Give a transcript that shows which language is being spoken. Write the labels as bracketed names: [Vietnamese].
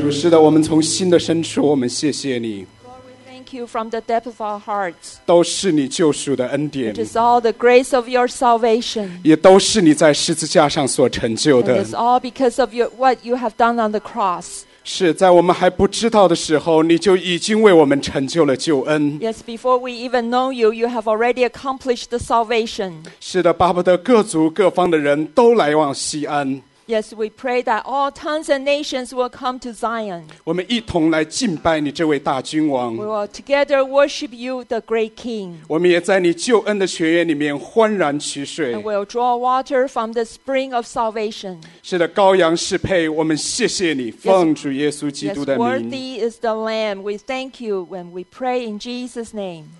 [Chinese] 的，我们从心的深处，我们谢谢你。 [English] You from the depth of our hearts. [Chinese] 都是你救赎的恩典。 [English] It is all the grace of your salvation. [Chinese] 也都是你在十字架上所成就的。 [English] It is all because of your, what you have done on the cross. [Chinese] 是在我们还不知道的时候，你就已经为我们成就了救恩。 [English] Yes, before we even know you, you have already accomplished the salvation. [Chinese] 是的，巴不得各族各方的人都来往西安。 [English] Yes, we pray that all tongues and nations will come to Zion. [Chinese] 我们一同来敬拜你这位大君王。 [English] We will together worship you, the great king. [Chinese] 我们也在你救恩的泉源里面欢然取水。 [English] And we'll draw water from the spring of salvation. [Chinese] 是的，羔羊是配，我们谢谢你，奉主耶稣基督的名。 [English] Yes, worthy is the lamb. We thank you when we pray in Jesus' name.